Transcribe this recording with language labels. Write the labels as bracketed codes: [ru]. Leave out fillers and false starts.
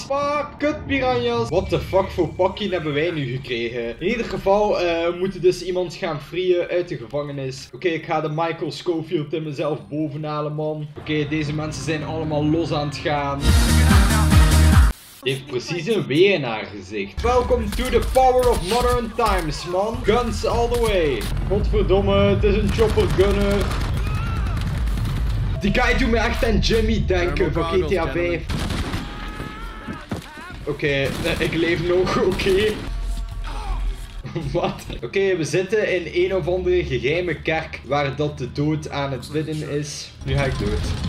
[nl] Fuck, kut piranhas. [en] What the fuck [nl] voor pakje hebben wij nu gekregen? In ieder geval moeten dus iemand gaan freeën uit de gevangenis. Oké, ik ga de Michael Scofield in mezelf bovenhalen, man. Oké, deze mensen zijn allemaal los aan het gaan. Hij heeft precies een weer in haar gezicht. [en] Welcome to the power of modern times, man. Guns all the way. [nl] Godverdomme, het is een chopper gunner. Die guy doet me echt aan Jimmy denken van GTA 5. Oké, ik leef nog, oké. Wat? Oké, we zitten in een of andere geheime kerk waar dat de dood aan het winnen is. Nu ga ik dood.